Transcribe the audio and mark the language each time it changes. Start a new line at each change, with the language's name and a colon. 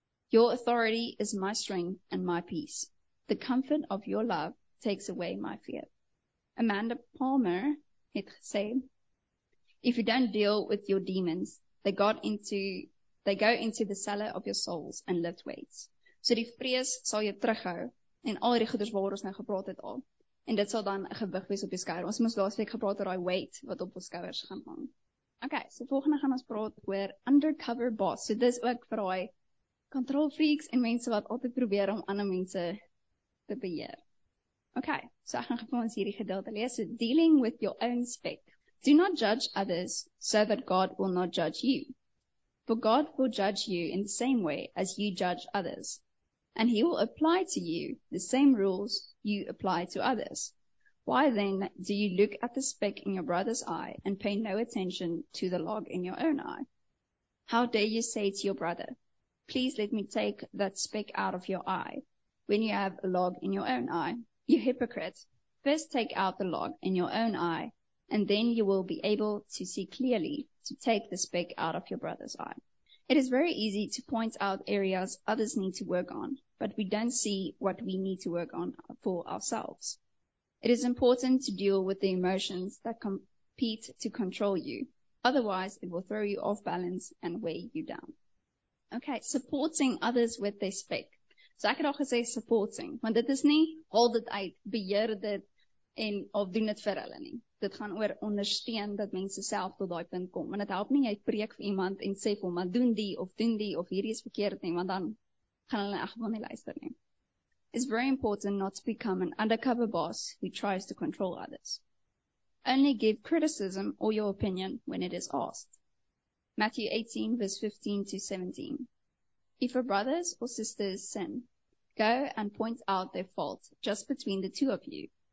English: Your authority is my strength and my peace. The comfort of your love takes away my fear. Amanda Palmer had said, if you don't deal with your demons, they go into the cellar of your souls and lift weights.
Afrikaans: So die vrees sal jou terughou en al die goeders waar ons nou gepraat het al. En dit sal dan 'n gewig wees op jou skouer. Ons het mos laasweek gepraat oor daai weight wat op ons skouers gaan hang. Okay, so volgende gaan ons praat oor undercover boss. So dis ook vir daai control freaks en mense wat altyd probeer om ander mense te beheer. Okay, so ek gaan vir ons hierdie gedeelte lees.
English: So, dealing with your own speck. Do not judge others so that God will not judge you. For God will judge you in the same way as you judge others. And he will apply to you the same rules you apply to others. Why then do you look at the speck in your brother's eye and pay no attention to the log in your own eye? How dare you say to your brother, please let me take that speck out of your eye, when you have a log in your own eye? You hypocrite, first take out the log in your own eye, and then you will be able to see clearly to take the speck out of your brother's eye. It is very easy to point out areas others need to work on, but we don't see what we need to work on for ourselves. It is important to deal with the emotions that compete to control you. Otherwise, it will throw you off balance and weigh you down. Okay, supporting others with their speck.
Afrikaans: So ek het al gesê supporting, want dit is nie hold it uit, beheer dit en of doen dit vir hulle nie. Dit gaan oor ondersteun dat mense self tot daai punt kom. Want dit help nie jy preek vir iemand en sê vir hom, maar doen die of hierdie is verkeerd nie, want dan gaan hulle in elk geval nie luister nie.
English: It's very important not to become an undercover boss who tries to control others. Only give criticism or your opinion when it is asked. Matthew 18 verse 15 to 17. If a brother or sister sin, go and point out their fault just between the two of you.